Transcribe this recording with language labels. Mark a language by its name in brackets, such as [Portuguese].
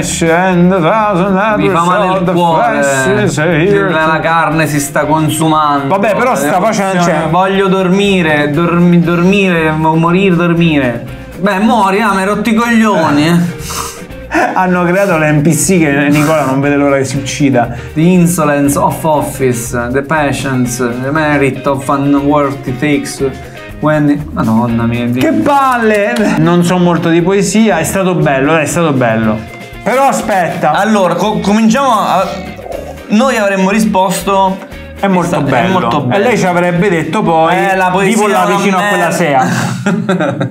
[Italian] la carne si sta consumando. Vabbè, però sta facendo. Cioè, voglio dormire, dormire, morire, dormire. Beh, muori, mi hai rotto i coglioni. Hanno creato l'NPC che Nicola non vede l'ora che si uccida. [English] The insolence of office, the patience, the merit of unworthy takes. When... [Italian] Madonna mia, che palle! Non so molto di poesia, è stato bello, è stato bello. Però aspetta. Allora, cominciamo a... Noi avremmo risposto... È molto, è, stato, bello. È molto bello. E lei ci avrebbe detto poi... La poesia vivo là vicino merda. A quella sera.